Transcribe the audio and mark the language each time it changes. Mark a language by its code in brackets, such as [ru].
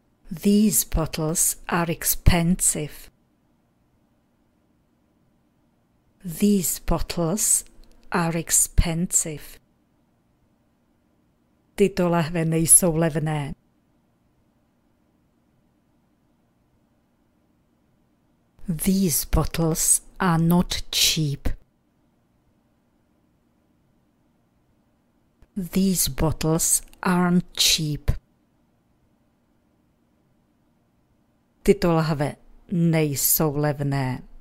[en] These bottles are expensive. These bottles are expensive. [cs] Tyto lahve nejsou levné. [en] These bottles are not cheap. These bottles aren't cheap. [cs] Tyto lahve nejsou levné.